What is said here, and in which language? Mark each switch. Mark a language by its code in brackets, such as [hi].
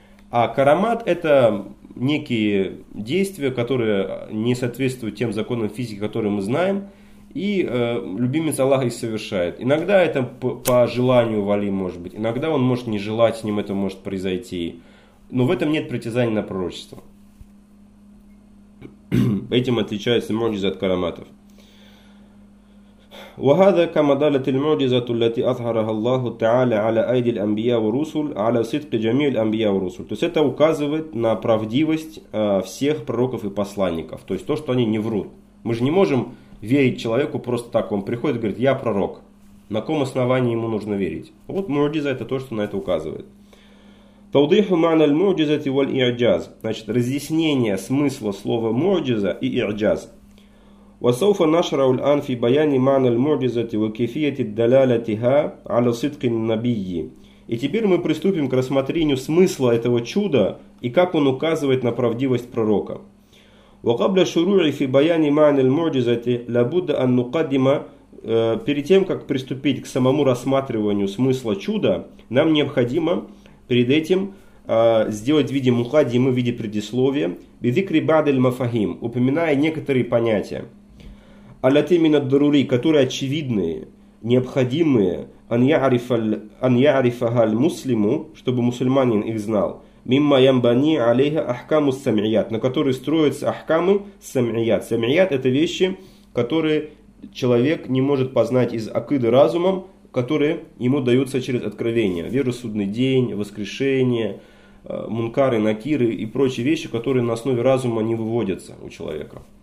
[ru] А карамат это некие действия, которые не соответствуют тем законам физики, которые мы знаем, и любимец Аллаха их совершает. Иногда это по желанию вали может быть, иногда он может не желать, с ним это может произойти, но в этом нет притязания на пророчество. Этим отличается муджиза от караматов. [ar] وهذا كما دلت المعجزة التي أظهرها الله تعالى على أيدي الأنبياء والرسل على صدق جميع الأنبياء والرسل. [ru] То есть это указывает на правдивость всех пророков и посланников. То есть то, что они не врут. Мы же не можем верить человеку просто так. Он приходит и говорит, я пророк. На каком основании ему нужно верить? Вот муджиза это то, что на это указывает. [ar] توضيح معنى المعجزة والإعجاز. [ru] Значит, разъяснение смысла слова муджиза и иджаз. [ar] وسوف نشرع الآن في بيان معنى المعجزة وكيفية دلالتها على صدق النبي. [ru] И теперь мы приступим к рассмотрению смысла этого чуда и как он указывает на правдивость пророка. [ar] وقبل الشروع في بيان معنى المعجزة لابد أن نقدم, [ru] перед тем как приступить к самому рассматриванию смысла чуда, нам необходимо перед этим сделать в виде мухаддимы, в виде предисловия, [ar] بذكري بعض المفاهيم, [ru] упоминая некоторые понятия. [ar] التي من الضروري, [ru] которые очевидные, необходимые, [ar] أن يعرفها المسلم, [ru] чтобы мусульманин их знал, [ar] مما ينبني عليها أحكام السمعيات, [ru] на которые строятся ахкамы самийят. Самийят это вещи, которые человек не может познать из акиды разумом, которые ему даются через откровение. Веру в судный день, воскрешение, мункары, накиры и прочие вещи, которые на основе разума не выводятся у человека.